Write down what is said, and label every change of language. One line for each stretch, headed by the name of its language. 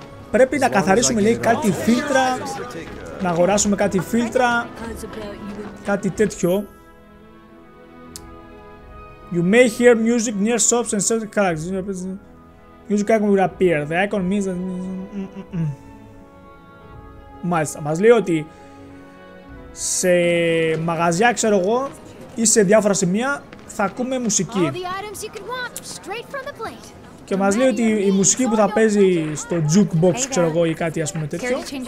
Greek: Πρέπει να καθαρίσουμε, λέει, κάτι φίλτρα, να αγοράσουμε κάτι φίλτρα, κάτι τέτοιο.
English: You may hear music near shops and certain characters. Music icon will appear. The icon means that...
Greek: Μάλιστα, μας λέει ότι σε μαγαζιά, ξέρω εγώ, ή σε διάφορα σημεία, θα ακούμε μουσική. Και μας λέει ότι η μουσική που θα παίζει στο jukebox, ξέρω εγώ, ή κάτι, ας πούμε, τέτοιο.